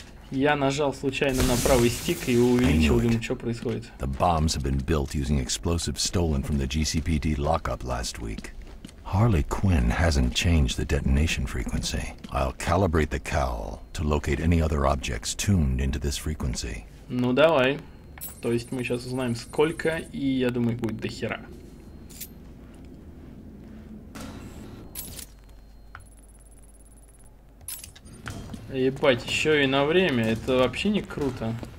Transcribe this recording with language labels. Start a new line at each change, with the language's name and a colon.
Russian: Я нажал случайно на правый стик и увеличил, думаю, что происходит.
English: The bombs have been built using explosives stolen from the GCPD lockup last week. Harley Quinn hasn't changed the detonation frequency. I'll calibrate the cowl to locate any other objects tuned into this frequency.
Russian: Ну давай. То есть мы сейчас узнаем сколько, и я думаю, будет до хера. Ебать, еще и на время. Это вообще не круто.